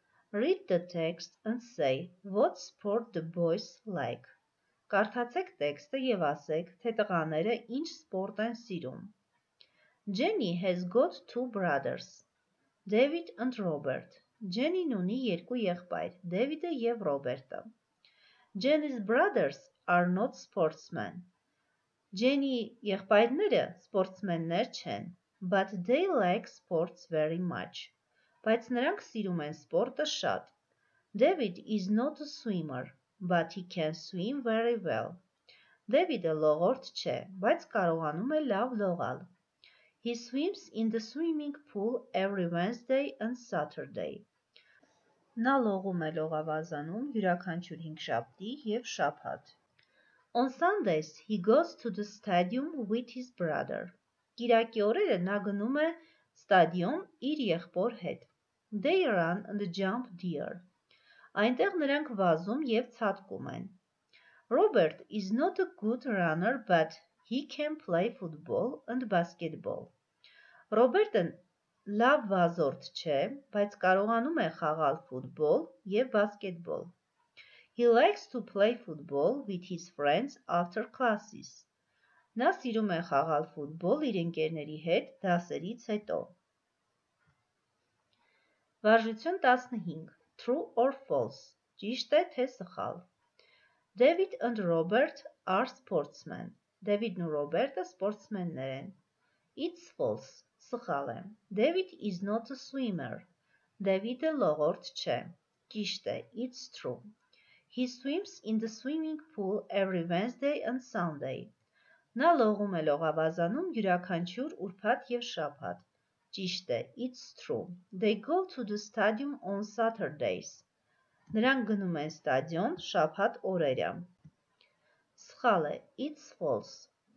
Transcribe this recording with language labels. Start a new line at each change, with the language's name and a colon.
English: Read the text and say what sport the boys like.
Armenian: Կարդացեք տեքստը եւ ասեք, թե տղաները ինչ սպորտ են սիրում.
English: Jenny has got two brothers, David and Robert.
Armenian: Jenny-ն ունի երկու եղբայր, David-ը եւ Robert-ը.
English: Jenny's brothers are not sportsmen.
Armenian: Jenny-ի եղբայրները սպորտսմեններ չեն,
English: but they like sports very much.
Armenian: Բայց նրանք սիրում են սպորտը շատ.
English: David is not a swimmer, but he can swim very well.
Armenian: David-ը լողորդ չէ, բայց կարողանում է լավ լողալ.
English: He swims in the swimming pool every Wednesday and Saturday.
Armenian: Նա լողում է լողավազանում յուրաքանչյուր հինգշաբթի եւ շաբաթ.
English: On Sundays he goes to the stadium with his brother.
Armenian: Կիրակի օրերը նա գնում է ստադիոն իր եղբոր հետ.
English: They run and jump deer.
Armenian: Այնտեղ նրանք վազում եւ ցատկում են.
English: Robert is not a good runner, but he can play football and basketball.
Armenian: Robert-ը լավ վազորդ չէ, բայց կարողանում է խաղալ ֆուտբոլ եւ բասկետբոլ.
English: He likes to play football with his friends after classes.
Armenian: Նա սիրում է խաղալ ֆուտբոլ իր ընկերների հետ դասերից հետո. Վարժություն 15.
English: True or false.
Armenian: Ճիշտ է թե սխալ.
English: David and Robert are sportsmen.
Armenian: David-ն ու Robert-ը սպորտսմեններ են.
English: It's false.
Armenian: Սխալ է.
English: David is not a swimmer.
Armenian: David-ը լողորդ չէ. Ճիշտ է.
English: It's true. He swims in the swimming pool every Wednesday and Sunday.
Armenian: Նա լողում է լողավազանում յուրաքանչյուր ուրբաթ եւ շաբաթ. Ճիշտ է.
English: It's true. They go to the stadium on Saturdays.
Armenian: Նրանք գնում են ստադիոն շաբաթ օրերը. Սխալ է.
English: It's false.